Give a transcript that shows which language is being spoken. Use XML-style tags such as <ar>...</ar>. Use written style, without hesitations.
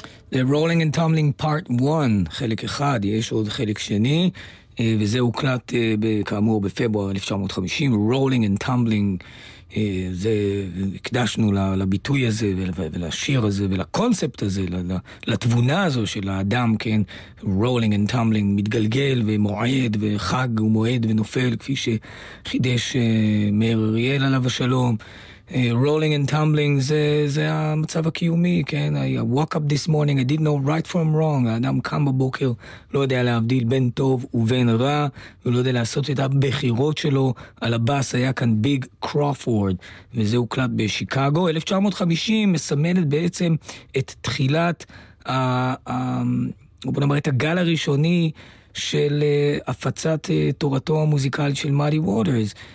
<he>The Rolling and Tumbling Part 1, חלק אחד, יש עוד חלק שני, וזה הוקלט כאמור בפברואר 1950, Rolling and Tumbling, זה הקדשנו לביטוי הזה ולשיר הזה ולקונספט הזה, לתבונה הזו של האדם, כן, Rolling and Tumbling, מתגלגל ומועד וחג ומועד ונופל, כפי שחידש מאיר אריאל עליו השלום. Rolling and tumbling, זה המצב הקיומי, כן?</he> <en>I woke up this morning, I didn't know right from wrong.</en> <he>האדם קם בבוקר, לא יודע להבדיל בין טוב ובין רע, הוא לא יודע לעשות את הבחירות שלו. על הבאס היה כאן ביג קרופורד, וזה הוקלט בשיקגו. 1950 מסמלת בעצם את תחילת, בוא נאמר, את הגל הראשוני של הפצת תורתו המוזיקלית של מאדי ווטרס.</he>